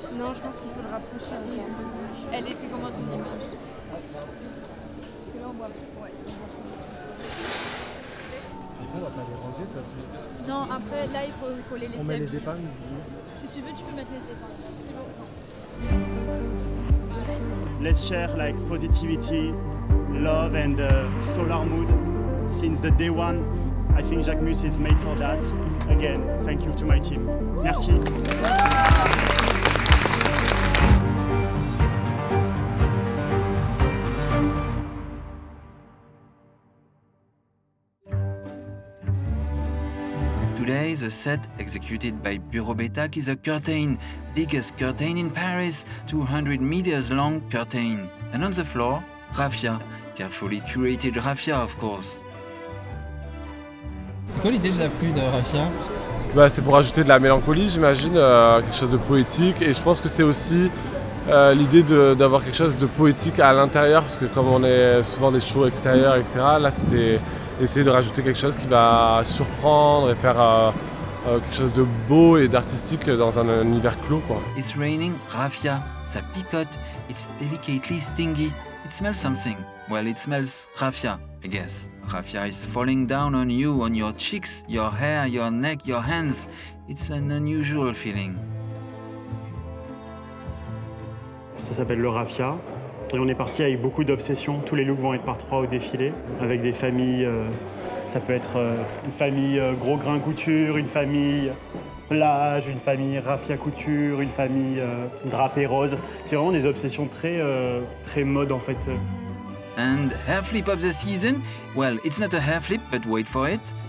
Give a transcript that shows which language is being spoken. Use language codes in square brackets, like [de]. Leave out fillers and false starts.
[fr] Non, je pense qu'il faut le rapprocher. Okay. Elle était comment ton image? Que là, on voit plus. Ouais. On va pas les ranger, toi. Non, après, là, il faut les laisser. On met les épingles. Si tu veux, tu peux mettre les épingles. C'est bon. [en] Let's share like positivity, love and solar mood. Since the day one, I think Jacquemus is made for that. Again, thank you to my team. Merci. Today, the set executed by Bureau Betac is a curtain, biggest curtain in Paris, 200 meters long curtain. And on the floor, raphia, carefully curated raphia, of course. [fr] C'est quoi l'idée de la pluie de raphia? Bah, c'est pour ajouter de la mélancolie, j'imagine, quelque chose de poétique. Et je pense que c'est aussi l'idée d'avoir quelque chose de poétique à l'intérieur, parce que comme on est souvent des shows extérieurs, etc., là c'était essayer de rajouter quelque chose qui va surprendre et faire quelque chose de beau et d'artistique dans un univers clos, quoi. [en] It's raining raphia, [fr] ça picote, [en] it's delicately stingy, it smells something. Well, it smells raphia, I guess. Raphia is falling down on you, on your cheeks, your hair, your neck, your hands. It's an unusual feeling. [fr] Ça s'appelle le raphia. Et on est parti avec beaucoup d'obsessions. Tous les looks vont être par trois au défilé, avec des familles. Ça peut être une famille gros grain couture, une famille plage, une famille raffia couture, une famille drapé rose. C'est vraiment des obsessions très très mode en fait. [en] And hair flip of the season? Well, it's not a hair flip, but wait for it.